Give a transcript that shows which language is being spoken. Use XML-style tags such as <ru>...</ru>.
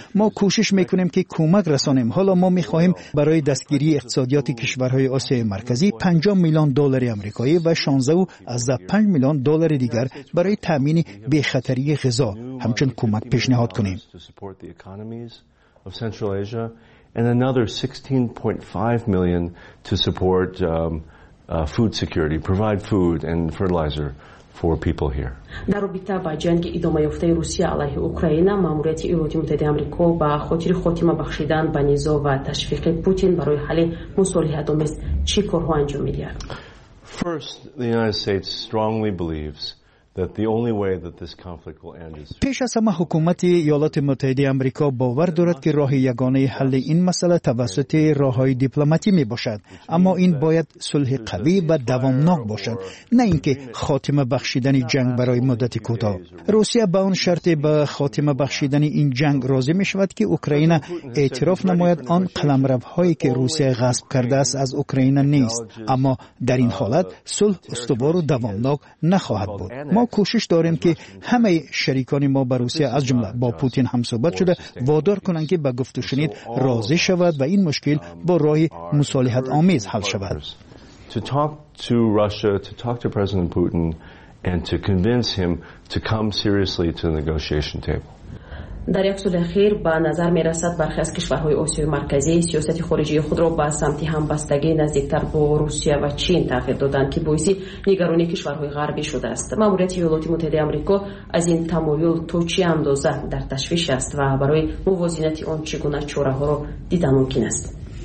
<fa>ما کوشش می‌کنیم که کمک رسانیم. حالا ما می‌خواهیم برای دستگیری اقتصادیات کشورهای آسیای مرکزی 5 میلیون دلار آمریکایی و 16.5 میلیون دلار دیگر برای تامین بی‌خطری غذا همچون کمک پیشنهاد کنیم.</fa> <en>And another 16.5 million to support food security, provide food and fertilizer for people here.</en> <fa>در رابطه با جنگ ادامه یافته روسیه علیه اوکراین، ماموریت ایالات متحده آمریکا با خاطر خاتمه بخشیدن به نزاع و تشویق پوتین برای حل مصالحه‌آمیز چی کارها انجام می‌دهد؟</fa> <en>First, the United States strongly believes that the only way that this conflict will end is</en> <fa>پیش از همه حکومت ایالات متحده آمریکا باور دارد که راه یگانه حل این مسئله توسط راه‌های دیپلماتیک میباشد، اما این باید صلح قوی و دوامناک باشد، نه اینکه خاتمه بخشیدن جنگ برای مدت کوتاه. روسیه به آن شرط به خاتمه بخشیدن این جنگ راضی میشود که اوکراین اعتراف نماید آن قلمروهایی که روسیه غصب کرده است از اوکراین نیست، اما در این حالت صلح استوار و دوامناک نخواهد بود. ما کوشش داریم که همه شریکان ما به روسیه از جمله با پوتین هم صحبت شده وادار کنند که به گفت و شنید راضی شود و این مشکل با راه مصالحت آمیز حل شود.</fa> <en>To talk to Russia, to talk to President Putin and to convince him to come seriously to the negotiation table.</en> <fa>در یک سال اخیر به نظر می رسد برخی از کشورهای آسیای مرکزی سیاست خارجی خود را به سمت همبستگی نزدیکتر با روسیه و چین تغییر دادند که باعث نگرانی کشورهای غربی شده است. ماموریت ایالات متحده آمریکا از این تمایل تا چه اندازه در تشویش است و برای موازنت آن چگونه چاره ها را دیده ممکن است؟</fa>